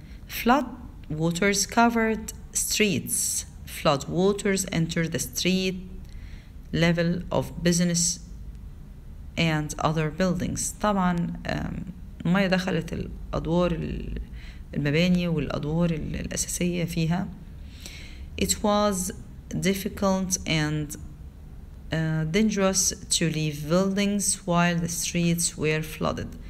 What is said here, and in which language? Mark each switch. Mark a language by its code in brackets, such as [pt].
[en] Flood waters covered streets. Flood waters entered the street level of business and other buildings. [ar] طبعا المية دخلت الأدوار المباني والأدوار الأساسية فيها. [en] It was difficult and dangerous to leave buildings while the streets were flooded.